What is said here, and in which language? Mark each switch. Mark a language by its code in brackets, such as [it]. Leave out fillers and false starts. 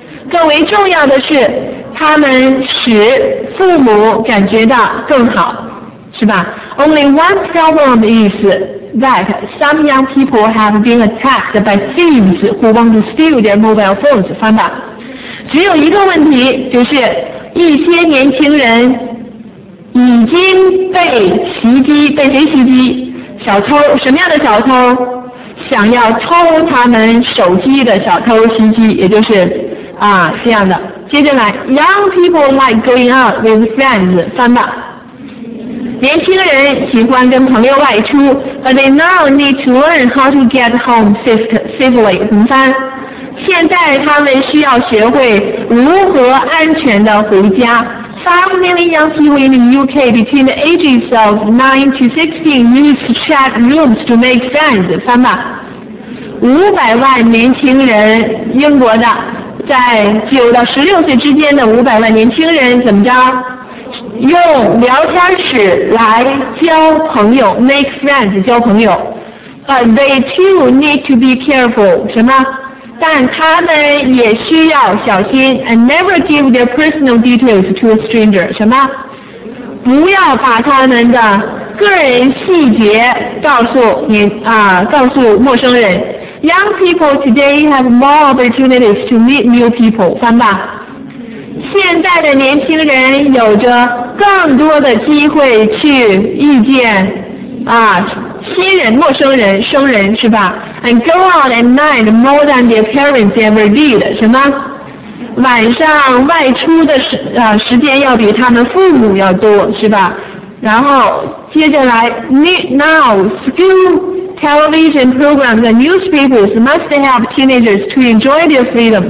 [zh] 更为重要的是他们使父母感觉到更好是吧。 [en] Only one problem is that some young people have been attacked by thieves who want to steal their mobile phones, 翻吧。 [zh] 只有一个问题，就是一些年轻人已经被袭击，被谁袭击？小偷，什么样的小偷？想要偷他们手机的小偷袭击，也就是啊这样的。 [en] 接着来，Young people like going out with friends，翻吧。年轻人喜欢跟朋友外出，but they now need to learn how to get home safely。怎么翻？ [zh] 现在他们需要学会如何安全的回家。 [en] 5 million young people in the UK between the ages of 9 to 16 use chat rooms to make friends。 [zh] 翻吧。 500万年轻人，英国的，在9到16岁之间的500万年轻人怎么着？用聊天室来交朋友 ， make friends 交朋友。 [en] But they too need to be careful。什么？但他们也需要小心，and never give their personal details to a stranger。什么？ [zh] 不要把他们的个人细节告诉你啊，告诉陌生人。 [en] Young people today have more opportunities to meet new people。 [zh] 翻吧。现在的年轻人有着更多的机会去遇见啊新人、陌生人、生人，是吧？ [en] And go out at night more than their parents ever did。 [zh] 什么？晚上外出的 时间要比他们父母要多，是吧？ [en] 然后接着来 Need now school television programs and newspapers must help teenagers to enjoy their freedom。